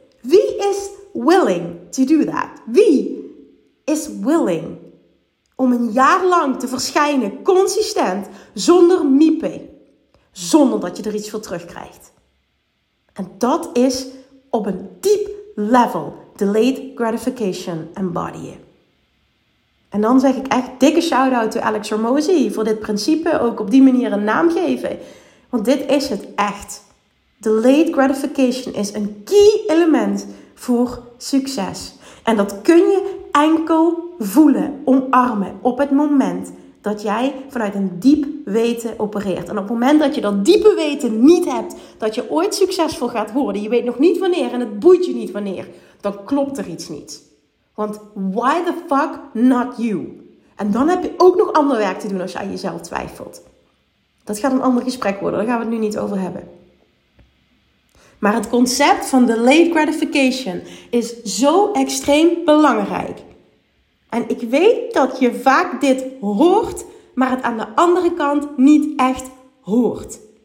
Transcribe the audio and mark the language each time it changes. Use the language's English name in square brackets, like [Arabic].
[Dutch] Wie is [English] willing to do that? [Dutch] Wie is willing om een jaar lang te verschijnen, consistent, zonder miepen? Zonder dat je er iets voor terugkrijgt. En dat is op een diep level delayed gratification embodyen. En dan zeg ik echt dikke shout-out to Alex Hormozi voor dit principe ook op die manier een naam geven. Want dit is het echt. Delayed gratification is een key element voor succes. En dat kun je enkel voelen, omarmen op het moment dat jij vanuit een diep weten opereert. En op het moment dat je dat diepe weten niet hebt, dat je ooit succesvol gaat worden, je weet nog niet wanneer en het boeit je niet wanneer, dan klopt er iets niet. Want [English] why the fuck not you? [Dutch] En dan heb je ook nog ander werk te doen als je aan jezelf twijfelt. Dat gaat een ander gesprek worden, daar gaan we het nu niet over hebben. Maar het concept van delayed gratification is zo extreem belangrijk. En ik weet dat je vaak dit hoort, maar het aan de andere kant niet echt hoort.